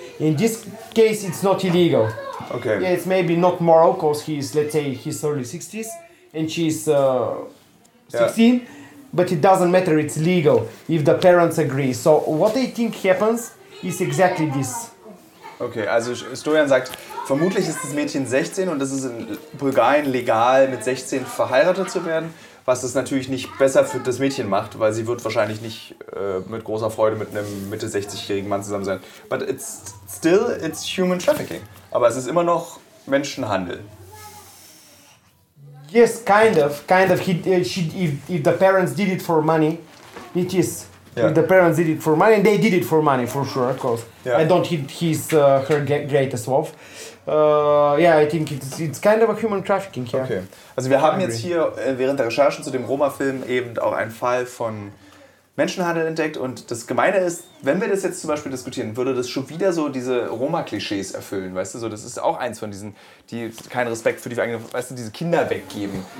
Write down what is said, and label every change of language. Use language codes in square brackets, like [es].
[en] In this case, it's not illegal. Okay. Yeah, it's maybe not moral, because he's early 60s, and she's 16. Yeah. But it doesn't matter, it's legal if the parents agree. So what I think happens is exactly this. [de] Okay, also Stojan sagt, vermutlich ist das Mädchen 16 und es ist in Bulgarien legal, mit 16 verheiratet zu werden, was es natürlich nicht besser für das Mädchen macht, weil sie wird wahrscheinlich nicht mit großer Freude mit einem Mitte 60-jährigen Mann zusammen sein. [en] But it's still human trafficking. [de] Aber es ist immer noch Menschenhandel. [en] Yes, kind of. If the parents did it for money, it is. Yeah. If the parents did it for money, and they did it for money, for sure, of course. Yeah. I don't hit her greatest love. Yeah, I think it's kind of a human trafficking here. Okay. [de] Also wir haben jetzt hier während der Recherchen zu dem Roma-Film eben auch einen Fall von Menschenhandel entdeckt. Und das Gemeine ist, wenn wir das jetzt zum Beispiel diskutieren, würde das schon wieder so diese Roma-Klischees erfüllen, weißt du? So, das ist auch eins von diesen, die keinen Respekt für die eigene, weißt du, diese Kinder weggeben.